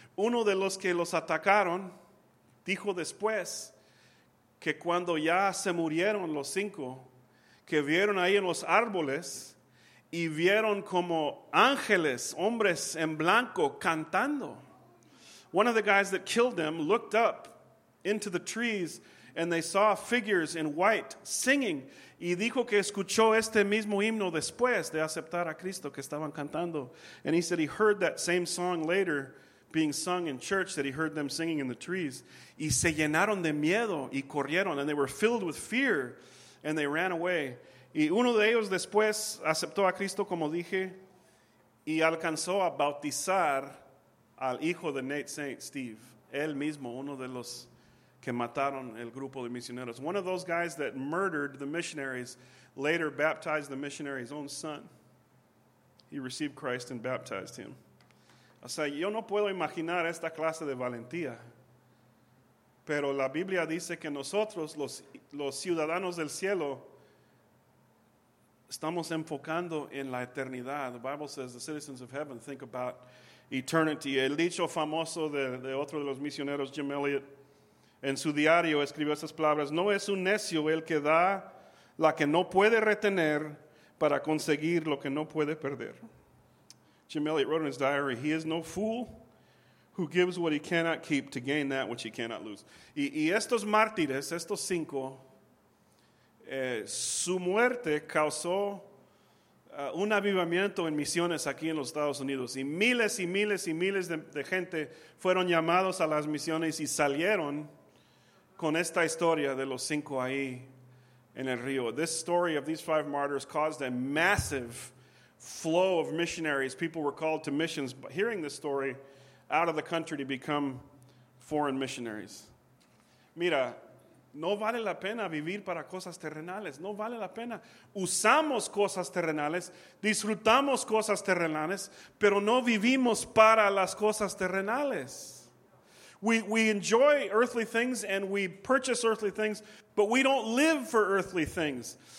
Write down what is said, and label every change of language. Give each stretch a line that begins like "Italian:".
Spanish: Uno de los que los atacaron dijo después que cuando ya se murieron los 5, que vieron ahí en los árboles y vieron como ángeles, hombres en blanco, cantando.
English: One of the guys that killed them looked up into the trees and they saw figures in white singing.
Spanish: Y dijo que escuchó este mismo himno después de aceptar a Cristo que estaban cantando.
English: And he said he heard that same song later being sung in church that he heard them singing in the trees.
Spanish: Y se llenaron de miedo y corrieron.
English: And they were filled with fear and they ran away.
Spanish: Y uno de ellos después aceptó a Cristo, como dije. y alcanzó a bautizar al hijo de Nate Saint Steve, él mismo, uno de los que mataron el grupo de misioneros.
English: One of those guys that murdered the missionaries later baptized the missionary's own son. He received Christ and baptized him.
Spanish: O sea, yo no puedo imaginar esta clase de valentía. Pero la Biblia dice que nosotros, los ciudadanos del cielo, estamos enfocando en la eternidad.
English: The Bible says the citizens of heaven think about eternity.
Spanish: El dicho famoso de otro de los misioneros, Jim Elliot, en su diario escribió estas palabras: no es un necio el que da la que no puede retener para conseguir lo que no puede perder.
English: Jim Elliot wrote in his diary, he is no fool who gives what he cannot keep to gain that which he cannot lose.
Spanish: Y estos mártires, estos cinco, su muerte causó un avivamiento en misiones aquí en los Estados Unidos. Y miles y miles y miles de gente fueron llamados a las misiones y salieron con esta historia de los cinco ahí en el río.
English: This story of these five martyrs caused a massive flow of missionaries. People were called to missions, but hearing this story, out of the country to become foreign missionaries.
Spanish: Mira, no vale la pena vivir para cosas terrenales. No vale la pena. Usamos cosas terrenales, disfrutamos cosas terrenales, pero no vivimos para las cosas terrenales.
English: We enjoy earthly things and we purchase earthly things, but we don't live for earthly things.